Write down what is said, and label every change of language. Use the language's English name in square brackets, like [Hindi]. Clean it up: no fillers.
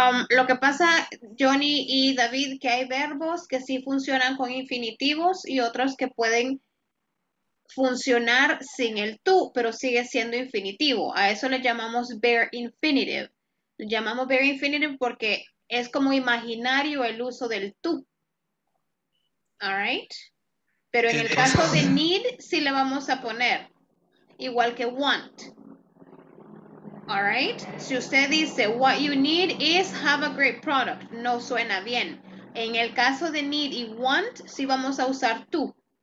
[Spanish] Lo que pasa, Johnny y David, que hay verbos que sí funcionan con infinitivos y otros que pueden funcionar sin el tú, pero sigue siendo infinitivo. A eso le llamamos bare infinitive. Le llamamos bare infinitive porque es como imaginario el uso del tú. All right? Pero en el caso de need, sí le vamos a poner. Igual que want. All right? Si usted dice, [English] what you need is have a great product. [Spanish] No suena bien. En el caso de need y want, sí vamos a usar tú.